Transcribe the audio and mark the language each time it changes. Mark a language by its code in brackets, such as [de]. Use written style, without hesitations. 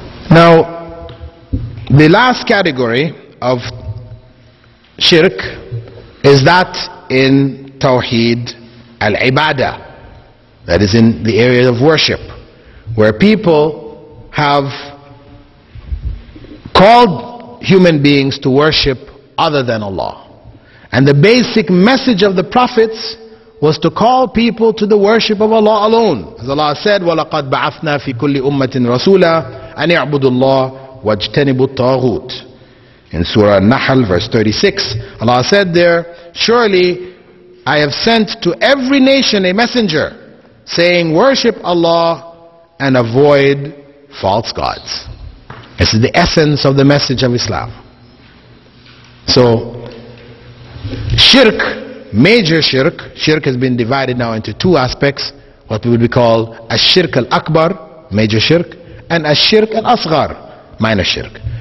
[en] Now, the last category of shirk is that in Tawheed al-ibadah, that is in the area of worship, where people have called human beings to worship other than Allah. And the basic message of the prophets was to call people to the worship of Allah alone. As Allah said, [ar] وَلَقَدْ بَعَثْنَا فِي كُلِّ أُمَّةٍ رَسُولًا أَنِ اعْبُدُوا اللَّهَ وَاجْتَنِبُوا الطَّاغُوتِ. [en] In Surah An-Nahl, verse 36, Allah said there, surely I have sent to every nation a messenger saying, worship Allah and avoid false gods. This is the essence of the message of Islam. So, shirk, major shirk, shirk has been divided now into two aspects, what would we call ash-shirk al-akbar, major shirk, and ash-shirk al-asghar, minor shirk.